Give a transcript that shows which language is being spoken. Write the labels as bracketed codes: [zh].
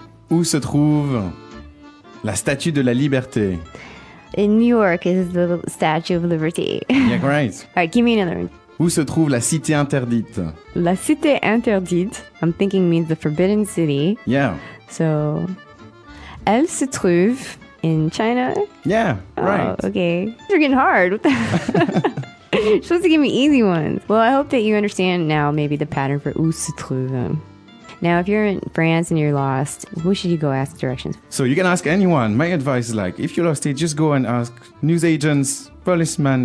[fr] Où se trouve la statue de la liberté? [en] In New York is the Statue of Liberty. Yeah, right. All right, give me another one. [fr] Où se trouve la cité interdite? La cité interdite, [en] I'm thinking means the forbidden city. Yeah. [fr] So, elle se trouve [en] in China? Yeah, right. Oh, okay. You're getting hard. What the You're supposed to give me easy ones. Well, I hope that you understand now maybe the pattern for [fr] où se trouve. [en] Now, if you're in France and you're lost, who should you go ask directions? So you can ask anyone. My advice is like, if you're lost, just go and ask news agents, policemen.